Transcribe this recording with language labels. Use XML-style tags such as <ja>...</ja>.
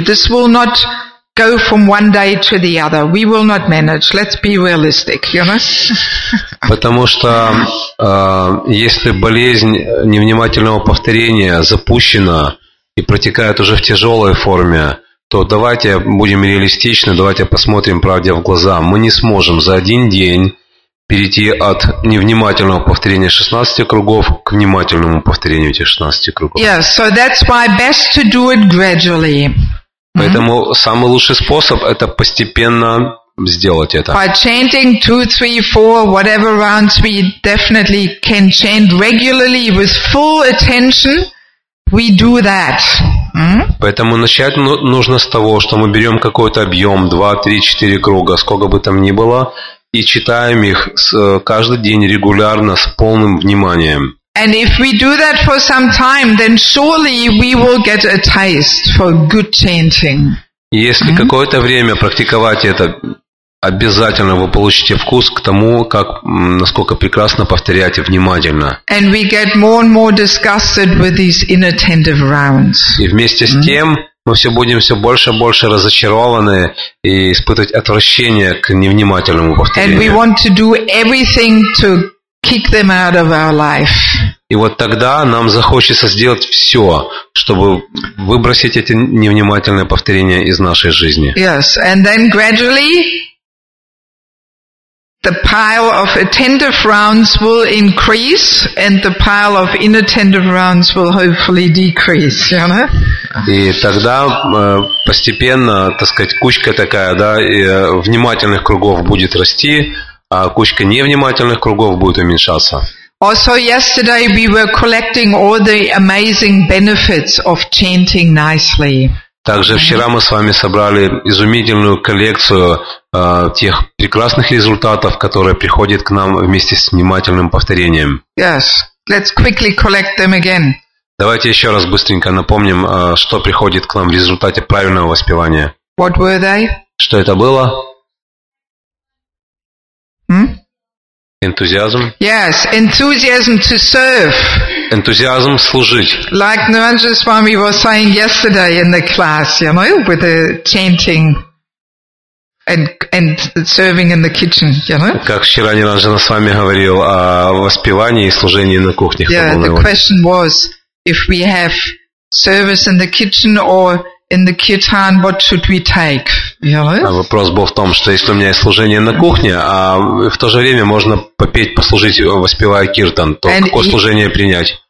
<en>This will not go from one day to the other. We will not manage. Let's be realistic, you know?</en> <ru>Потому что если болезнь невнимательного повторения запущена и протекает уже в тяжелой форме, то давайте будем реалистичны, давайте посмотрим правде в глаза. Мы не сможем за один день перейти от невнимательного повторения 16 кругов к внимательному повторению этих 16 кругов.</ru> <en>Yes, so that's why best to do it gradually.</en> <ru>Поэтому самый лучший способ – это постепенно сделать это.</ru> <en>By chanting 2, 3, 4, whatever rounds we definitely can chant regularly with full attention, we do that.</en> <ru>Поэтому начать нужно с того, что мы берем какой-то объем, 2, 3, 4 круга, сколько бы там ни было, и читаем их каждый день регулярно с полным вниманием.</ru> <en>And if we do that for some time, then surely we will get a taste for good chanting.</en> <ru>Если какое-то время практиковать это, обязательно вы получите вкус к тому, как насколько прекрасно повторять и внимательно.</ru> <en>And we get more and more disgusted with these inattentive rounds.</en> <ru>И вместе с тем мы все будем все больше и больше разочарованы и испытывать отвращение к невнимательному повторению.</ru> <en>And we want to do everything to kick them out of our life.</en> <ru>И вот тогда нам захочется сделать все, чтобы выбросить эти невнимательные повторения из нашей жизни.</ru> <en>Yes, and then gradually the pile of attentive rounds will increase, and the pile of inattentive rounds will hopefully decrease. You know?</en> <ru>И тогда постепенно, так сказать, кучка такая, да, внимательных кругов будет расти, а кучка невнимательных кругов будет уменьшаться.</ru> <en>Also, yesterday we were collecting all the amazing benefits of chanting nicely.</en> <ru>Также вчера мы с вами собрали изумительную коллекцию тех прекрасных результатов, которые приходят к нам вместе с внимательным повторением.</ru> <en>Yes, let's quickly collect them again.</en> <ru>Давайте еще раз быстренько напомним, что приходит к нам в результате правильного воспевания.</ru> <en>What were they?</en> <ru>Что это было? Энтузиазм.</ru> <en>Yes, enthusiasm to serve.</en> <ru>Энтузиазм служить.</ru> <en>Like Narendra Swami was saying yesterday in the class, you know, with the chanting and serving in the kitchen, you know.</en> <ru>Как вчера Narendra Swami говорил о воспевании и служении на кухне.</ru> <en>Yeah, the question was, if we have service in the kitchen or in the kirtan, what should we take?</en> <ru>А вопрос был в том, что если у меня есть служение на кухне, а в то же время можно попеть, послужить, воспевая киртан, то</ru> <en>and</en> <ru>какое служение принять?</ru>